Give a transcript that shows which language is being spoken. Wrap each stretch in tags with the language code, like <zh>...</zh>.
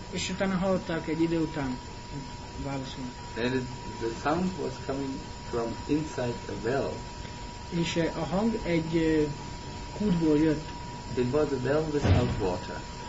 <hu>És utána hallották egy idő után válaszolni.</hu> <en>And the sound was coming from inside a well.</en> <hu>És a hang egy kútból jött.</hu> <en>It was a well without water.</en>